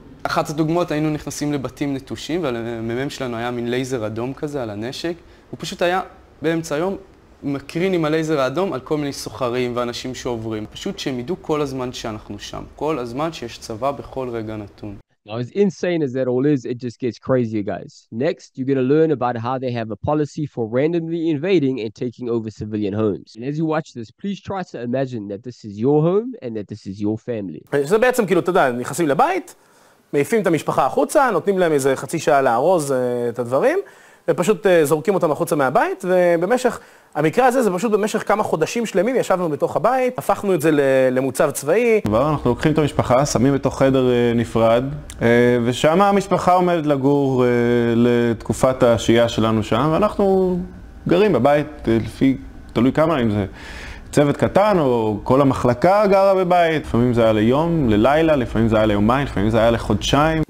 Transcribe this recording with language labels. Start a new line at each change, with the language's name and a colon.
Hebrew: אחת הדוגמאות, היינו נכנסים לבתים נטושים, והממ"מ שלנו היה מין לייזר אדום כזה על הנשק. הוא פשוט היה באמצע היום מקרין עם הלייזר האדום על כל מיני סוחרים ואנשים שעוברים. פשוט שהם ידעו כל הזמן שאנחנו שם, כל הזמן שיש צבא בכל רגע נתון.
English: Now, as insane as that all is, it just gets crazier, guys. Next, you're going to learn about how they have a policy for randomly invading and taking over civilian homes. And as you watch this, please try to imagine that this is your home and that this is your family.
Hebrew: זה בעצם כאילו, אתה יודע, נכנסים לבית, מעיפים את המשפחה החוצה, נותנים להם איזה חצי שעה לארוז את הדברים, ופשוט זורקים אותם החוצה מהבית, ובמשך, המקרה הזה זה פשוט במשך כמה חודשים שלמים ישבנו בתוך הבית, הפכנו את זה למוצב צבאי. כבר אנחנו לוקחים את המשפחה, שמים בתוך חדר נפרד, ושם המשפחה עומדת לגור לתקופת השהייה שלנו שם, ואנחנו גרים בבית, לפי, תלוי כמה, אם זה צוות קטן, או כל המחלקה גרה בבית, לפעמים זה היה ליום, ללילה, לפעמים זה היה ליומיים, לפעמים זה היה לחודשיים.